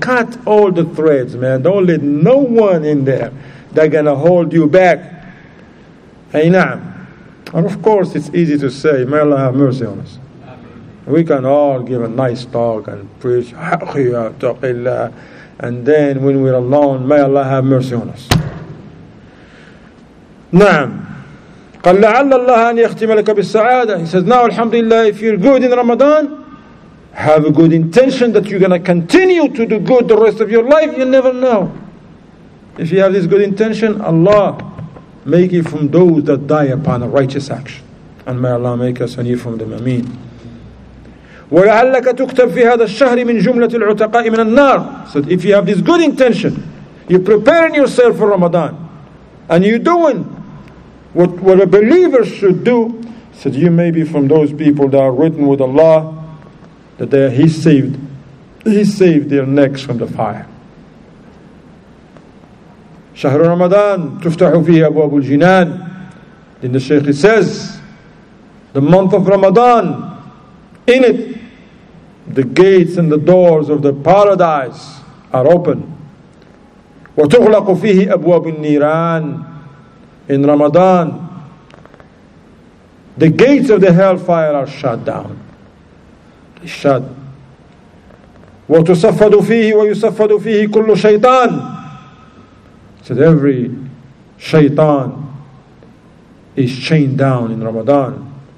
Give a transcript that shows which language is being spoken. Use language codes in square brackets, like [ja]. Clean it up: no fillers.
[en] Cut all the threads, man. Don't let no one in there that going to hold you back. Aina'am. And of course, it's easy to say, may Allah have mercy on us. We can all give a nice talk and preach, and then when we're alone, may Allah have mercy on us. [ar] Naam. قال لعل الله أن يختم لك بالسعادة. [en] He says, now alhamdulillah, if you're good in Ramadan, have a good intention that you're going to continue to do good the rest of your life. You never know. If you have this good intention, Allah make you from those that die upon a righteous action. And may Allah make us and you from them. Ameen. [ar] ولعلك تكتب في هذا الشهر من جملة العتقاء من النار. [en] So if you have this good intention, you're preparing yourself for Ramadan, and you're doing what a believer should do, said, you may be from those people that are written with Allah, that they are, he saved their necks from the fire. [ar] شهر رمضان تفتح فيه أبواب الجنان. [en] Then the Shaykh says, the month of Ramadan, in it, the gates and the doors of the paradise are open. [ar] وتغلق فيه أبواب النيران. [en] In Ramadan, the gates of the hellfire are shut down. [ar] Shut. وَتُصَفَّدُ فِيهِ وَيُصَفَّدُ فِيهِ كُلُّ شَيْطَانِ. [en] Said every shaitan is chained down in Ramadan.